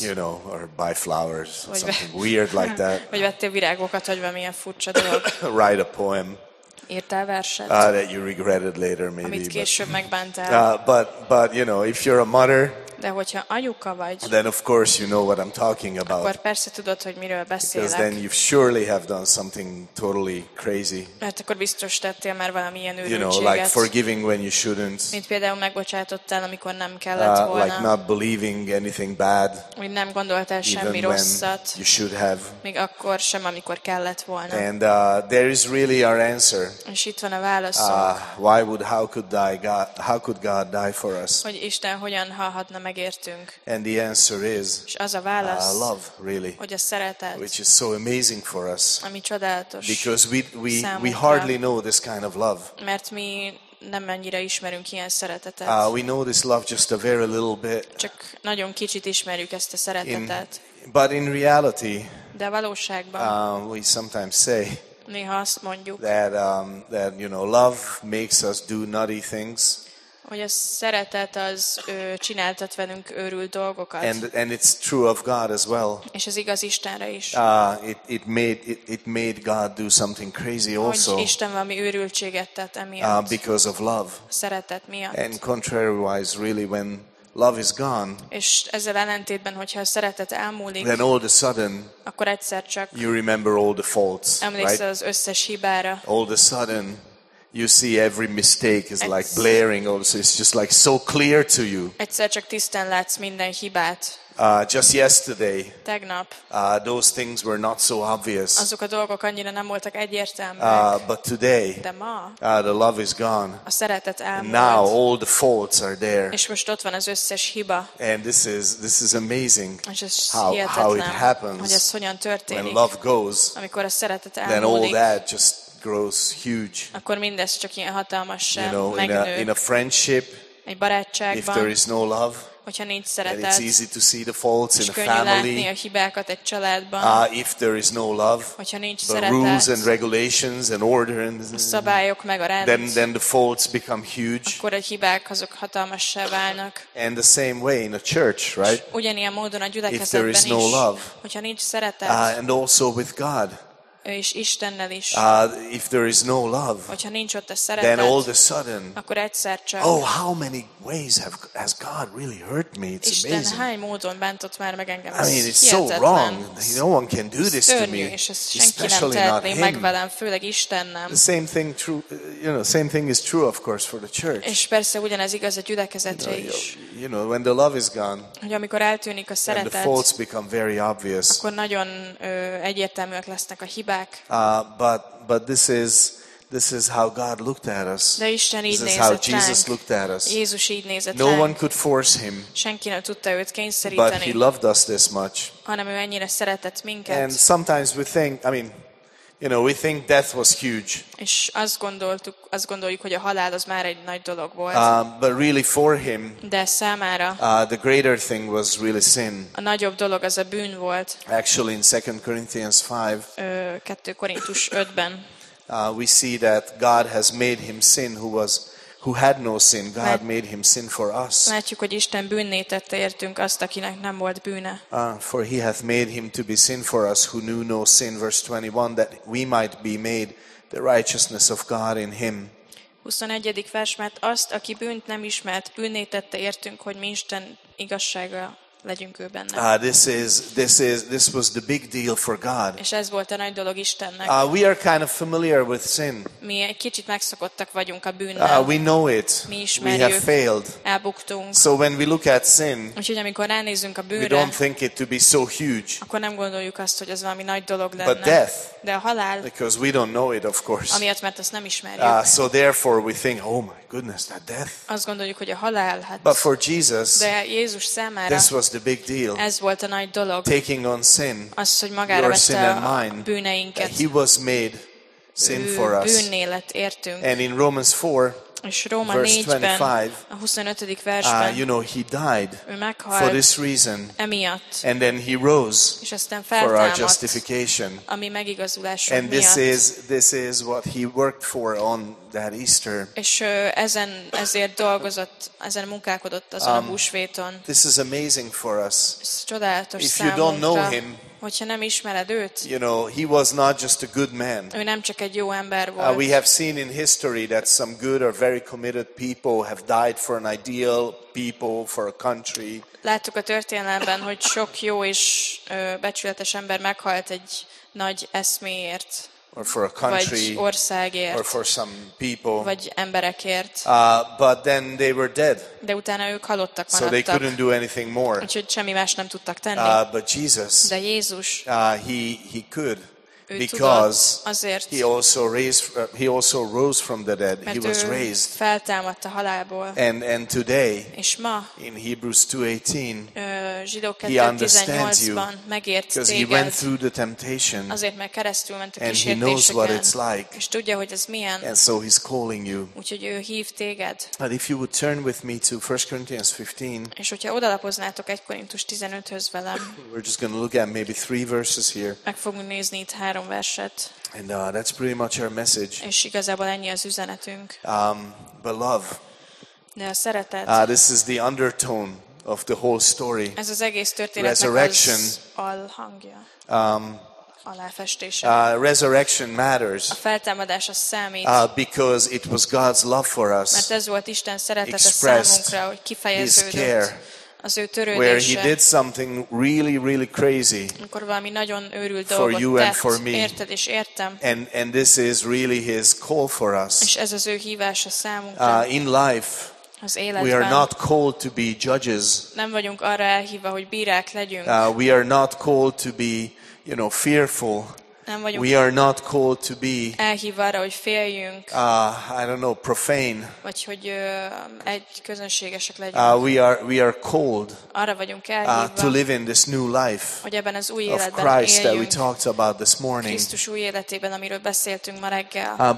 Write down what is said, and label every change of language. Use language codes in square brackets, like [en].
[en] You know, or buy flowers, or something weird like that. [hu] Vagy vettél virágokat, hogy valamilyen furcsa dolog. [en] Write a poem. [hu] Írtál verset? [en] That you regretted later, maybe. [hu] Amit később megbántál. [en] But you know, if you're a mother. [hu] De hogyha anyuka vagy, [en] then of course you know what I'm talking about. [hu] Akkor persze tudod, hogy miről beszélek. [en] Because then you surely have done something totally crazy. [hu] Mert akkor biztos tettél már valami ilyen őrültséget. [en] You know, like forgiving when you shouldn't. [hu] Mint például megbocsátottál, amikor nem kellett volna. [en] Like not believing anything bad. [hu] Úgy nem gondoltál semmi rosszat. [en] You should have. [hu] Még akkor sem, amikor kellett volna. [en] And there is really our answer. [hu] És itt van a válaszunk. [en] Why would, how could God die for us? [hu] Hogy Isten hogyan halhatna megértünk. [en] And the answer is, [hu] és az a válasz, [en] love, really, [hu] hogy a szeretet, [en] which is so amazing for us, [hu] ami csodálatos. [en] Because we hardly know this kind of love. [hu] Mert mi nem annyira ismerünk ilyen szeretetet. [en] We know this love just a very little bit. [hu] Csak nagyon kicsit ismerjük ezt a szeretetet. [en] But in reality, [hu] de valóságban, [en] we sometimes say, [hu] néha azt mondjuk, [en] that you know, love makes us do nutty things. [hu] Hogy a szeretet az csináltat velünk őrült dolgokat. [en] And it's true of God as well. [hu] És ez igaz Istenre is. [en] It made God do something crazy also. [hu] Hogy Isten valami őrültséget tett emiatt. [en] Because of love. [hu] Szeretet miatt. [en] And contrarywise, really, when love is gone. [hu] És ezzel ellentétben, hogyha a szeretet elmúlik. [en] Then all of a sudden. [hu] Akkor egyszer csak. [en] You remember all the faults. [hu] Emlékszel, [en] right? [hu] Az összes hibára. [en] All of a sudden. You see every mistake is like blaring, also it's just like so clear to you. [hu] Egyszer csak tisztán látsz minden hibát. [en] Just yesterday. [hu] Tegnap. [en] Those things were not so obvious. [hu] Azok a dolgok annyira nem voltak egyértelműek. [en] But today. [hu] De ma. [en] The love is gone. [hu] A szeretet elmúlt. [en] Now all the faults are there. [hu] És most ott van az összes hiba. [en] And this is amazing. [hu] És ez [en] how it happens. [hu] Hogy ez hogyan történik. [en] When love goes. [hu] Amikor a szeretet elmúlik. [en] Then all that just grows huge. [hu] Akkor mindez csak ilyen hatalmas sem, [en] you know, [hu] megnő. [en] In a friendship, [hu] egy barátságban, [en] if there is no love, [hu] hogyha nincs szeretet, [en] it's easy to see the faults in a family. [hu] És könnyű látni a hibákat egy családban. [en] If there is no love, [hu] hogyha nincs [en] the [hu] szeretet, [en] rules and regulations and order and [hu] szabályok meg a rend, [en] then the faults become huge. [hu] Akkor a hibák azok hatalmassá válnak. [en] And the same way in a church, right? [hu] Ugyanilyen módon a gyülekezetben is. [en] If there is no love, [hu] hogyha nincs szeretet, [en] and also with God. [hu] És Istennel is. [en] If there is no love, [hu] hogyha nincs ott a szeretet, [en] then all of a sudden, [hu] akkor egyszer csak, [en] oh, how many ways has God really hurt me? It's [hu] Isten [en] amazing. [hu] Isten hány módon bántott már meg engem? [en] I mean, it's so wrong. No one can do this to me. Especially not him. [hu] Meg velem, főleg Isten nem. [en] The same thing true, you know, same thing is true, of course, for the church. [hu] És persze ugyanez igaz a gyülekezetre is. [en] You know, when the love is gone, [hu] hogy amikor eltűnik a szeretet, [en] the faults become very obvious. [hu] Akkor nagyon egyértelműek lesznek a hibák. [en] But this is how God looked at us. [hu] De Isten így [en] this is how Jesus [hu] ránk. [en] Looked at us. [hu] Jézus így nézett [en] no [hu] ránk. [en] One could force him. [hu] Senki nem tudta őt kényszeríteni. [en] But he loved us this much. [hu] Hanem ő ennyire szeretett minket. [en] And sometimes we think, I mean, you know, we think death was huge. [hu] És azt gondoljuk, hogy a halál az már egy nagy dolog volt. [en] But really for him, [hu] de számára, [en] the greater thing was really sin. [hu] A nagyobb dolog az a bűn volt. [en] Actually in 2 Corinthians 5, [hu] 2 Korintus 5-ben, [en] we see that God has made him sin who had no sin. God made him sin for us. [hu] Látjuk, hogy Isten bűnné tette értünk azt, akinek nem volt bűne. [en] For he hath made him to be sin for us who knew no sin. Verse 21, that we might be made the righteousness of God in him. [hu] 21. vers, mert azt, aki bűnt nem ismert, bűnné tette értünk, hogy mi Isten igazsága legyünk ő benne. [en] This was the big deal for God. [hu] És ez volt a nagy dolog Istennek. [en] We are kind of familiar with sin. [hu] Mi egy kicsit megszokottak vagyunk a bűnnel. [en] We know it. [hu] Mi ismerjük. [en] We have failed. [hu] Elbuktunk. [en] So when we look at sin, [hu] úgyhogy amikor ránézünk a bűnre, [en] we don't think it to be so huge. [hu] Akkor nem gondoljuk azt, hogy ez valami nagy dolog lenne. [en] But death, [hu] de a halál, [en] because we don't know it, of course. [hu] Amiatt, mert azt nem ismerjük. [en] So therefore we think, oh my goodness, that death. [hu] Azt gondoljuk, hogy a halál, hát. [en] But for Jesus, [hu] de Jézus számára, [en] this was the big deal. [hu] Ez volt a nagy dolog. [en] Taking on sin, [hu] az, hogy magára [en] your sin and mine, [hu] bűneinket. [en] He was made sin for us. [hu] Bűnné lett értünk. [en] And in Romans 4, [hu] és Róma 4-ben, a 25. versben, [en] you know, he died [hu] ő meghalt [en] for this reason, [hu] emiatt, [en] and then he rose, [hu] és aztán feltámadt [en] for our justification. [hu] A mi megigazulásunk [en] and [hu] miatt. [en] This is what he worked for on that Easter. [hu] És ezért dolgozott, ezen munkálkodott azon a húsvéton. [en] This is amazing for us. [hu] Ez csodálatos [en] if [hu] számunkra. [en] You don't know him, [hu] hogyha nem ismered őt. [en] You know, he was not just a good man. [hu] Ő nem csak egy jó ember volt. [en] We have seen in history that some good or very committed people have died for an ideal, people for a country. [hu] Láttuk a történelemben, hogy sok jó és becsületes ember meghalt egy nagy eszméért. [en] Or for a country, [hu] vagy országért, [en] or for some people, [hu] vagy emberekért. [en] But then they were dead. [hu] De utána ők halottak, [en] so they couldn't do anything more. [hu] Úgyhogy semmi más nem tudtak tenni. [en] But Jesus, [hu] de Jézus, [en] he could, [hu] ő [en] because [hu] tudott, azért, [en] he also rose from the dead. [hu] Mert [en] he was raised. [hu] Feltámadt a halálból. [en] And today, [hu] és ma, [en] in Hebrews 2:18, [hu] Zsidók 2:18-ban megért téged, [en] he went through the temptation, [hu] azért, mert keresztül ment a kísértéseken, [en] and he knows what it's like, [hu] és tudja, hogy ez milyen, [en] and so he's calling you. [hu] Úgyhogy ő hív téged. [en] But if you would turn with me to 1 Corinthians 15, [hu] és hogyha odalapoznátok 1 Korintus 15-höz velem, [en] we're just going to look at maybe three verses here, [hu] meg fogunk nézni itt három verset, [en] and that's pretty much our message, [hu] és igazából ennyi az üzenetünk. [en] But love, [hu] de a szeretet, [en] this is the undertone of the whole story. [hu] Ez az egész történetnek [en] resurrection, [hu] alhangja. Aláfestése. [en] Resurrection matters. [hu] A feltámadás az számít. [en] Because it was God's love for us. [hu] Mert ez volt Isten szeretete számunkra, hogy kifejeződött. [en] His care. [hu] Az ő törődése. [en] Where he did something really, really crazy. [hu] Amikor valami nagyon őrült dolgot tett. [en] For you and for me. [hu] Érted és értem. [en] And this is really his call for us. [hu] És ez az ő hívása számunkra. [en] In life, we are not called to be judges. [hu] Nem vagyunk arra elhívva, hogy bírák legyünk. [en] We are not called to be, you know, fearful. [hu] Nem vagyunk. [en] We are not called to be [hu] elhívva arra, hogy féljünk. [en] I don't know, profane. [hu] Vagy hogy egy közönségesek legyünk. [en] We are called. [hu] Arra vagyunk elhívva. [en] To live in this new life. [hu] Hogy ebben az új életben [en] of Christ [hu] éljünk, [en] that we talked about this morning. [hu] Krisztus új életében, amiről beszéltünk ma reggel.